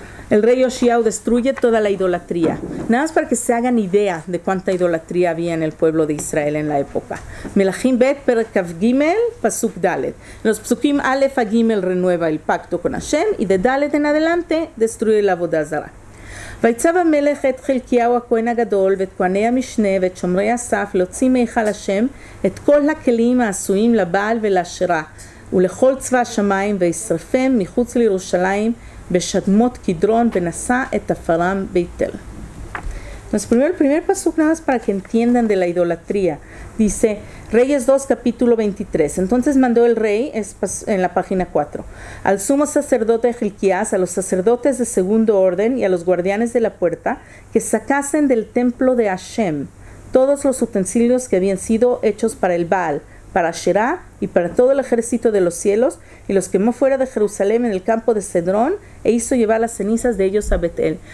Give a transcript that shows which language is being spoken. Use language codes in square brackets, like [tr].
[es] El rey Yoshiahu destruye toda la idolatría. Nada más para que se hagan idea de cuánta idolatría había en el pueblo de Israel en la época. [he] Melachim bet per kav gimel pasuk dalet. [es] Los psukim alef a gimel renueva el pacto con Hashem y de dalet en adelante destruye la avodah zarah. [he] ויצב המלך את חלקיהו הכהן הגדול ואת כהני המשנה ואת שומרי הסף להוציא מהיכל השם את כל הכלים העשויים לבעל ולאשרה ולכל צבא השמיים וישרפם מחוץ לירושלים בשדמות קדרון ונשא את אפרם ביתל. [es] Nos primero el primer pasuk nada más para que entiendan de la idolatría. Dice Reyes 2, capítulo 23. Entonces mandó el rey, es en la página 4, al sumo sacerdote Hilquías, a los sacerdotes de segundo orden y a los guardianes de la puerta, que sacasen del templo de Hashem todos los utensilios que habían sido hechos para el Baal, para Asherah y para todo el ejército de los cielos, y los quemó fuera de Jerusalén en el campo de Cedrón, e hizo llevar las cenizas de ellos a Betel.